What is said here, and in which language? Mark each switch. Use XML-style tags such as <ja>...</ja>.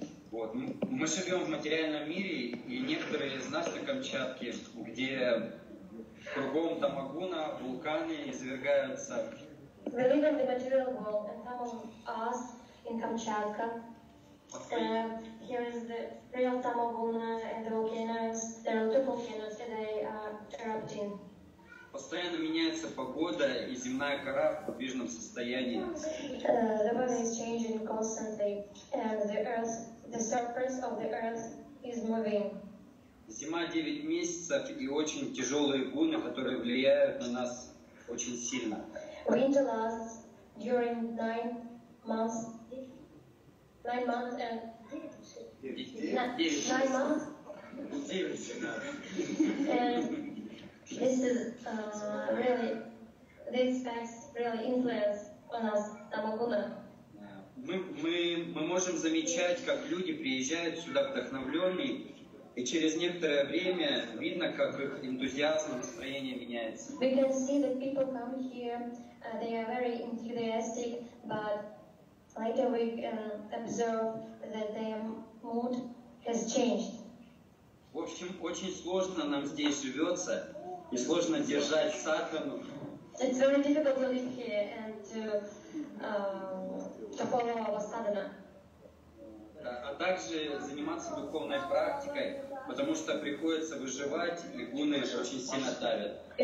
<ru>Вот мы живем в материальном мире, и некоторые из нас на Камчатке, где кругом тамагуна, вулканы извергаются.</ru> <en>We live in the material world, and some of us in Kamchatka. Here is the real Tamaguna and the volcanoes. There are two volcanoes, and they are erupting.</en> <ru>Постоянно меняется погода, и земная кора в подвижном состоянии.</ru> <en>The weather is changing constantly, and the earth, the surface of the earth, is moving.</en> <ru>Зима 9 месяцев, и очень тяжелые гуны, которые влияют на нас очень сильно.</ru> <en>Winter lasts during 9 months, and this is really, this fact really influences on us, Tamaguna.</en> <ru>Мы можем замечать, как люди приезжают сюда вдохновленные, и через некоторое время видно, как их энтузиазм, настроение меняется.</ru> <en>We can see that people come here. They are very enthusiastic, but later we can observe that their mood has changed.</en> <ru>В общем, очень сложно нам здесь живется, и сложно держать садхану.</ru> <en>It's very difficult to live here and to follow our sadhana.</en> <ru>А также заниматься духовной практикой, потому что приходится выживать, и гуны очень сильно давят.</ru>